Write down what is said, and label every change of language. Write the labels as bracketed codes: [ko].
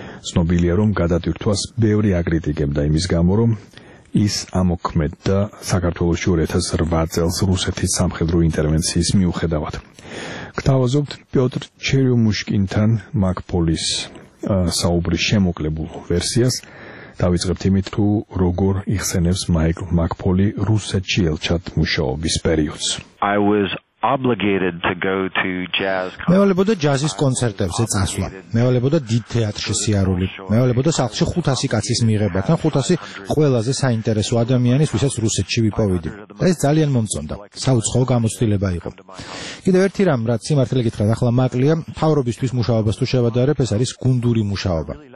[ka] ცნობილია, რომ გადატვირთვას ბევრი აკრიტიკებდა იმის გამო, რომ ის ამოქმედდა საქართველოში 2008 წელს რუსეთის სამხედრო ინტერვენციის მიუხედავად. გთავაზობთ პიოტრ ჩერიუმუშკინთან მაკფოლის საუბრის შემოკლებულ ვერსიას. დავიწყებთ იმით, თუ როგორ იხსენებს მაიკლ მაკფოლი რუსეთში ელჩად მუშაობის პერიოდს. [en] I was obligated to go to jazz. [ka] მეოლებოდა ჯაზის კონცერტებზე წასვლა. მეოლებოდა დიდ თეატრში სიარული. მეოლებოდა სახლში 500 კაცის მიღება და 500 ყველაზე საინტერესო ადამიანის, ვისაც რუსეთში ვიპოვიდი. ეს ძალიან მომწონდა. საუცხოო გამოცდილება იყო. კიდევ ერთი რამ, რაც სიმართლე გითხრათ, ახლა მაკლია, თავრობისთვის მუშაობას თუ შევადარებ, ეს არის გუნდური მუშაობა.